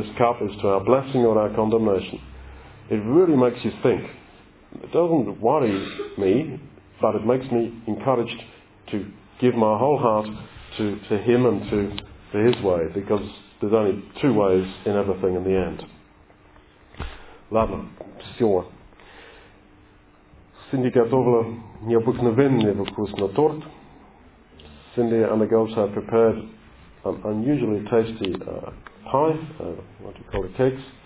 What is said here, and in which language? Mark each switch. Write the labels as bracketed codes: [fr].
[en] This cup is to our blessing or our condemnation. It really makes you think. It doesn't worry me, but it makes me encouraged to give my whole heart to Him and to His way, because there's only two ways in everything in the end. [ru] Ладно, все. Синди готовила необыкновенный вкусный торт. [en] Синди and the girls have prepared an unusually tasty pie, what do you call it, cakes.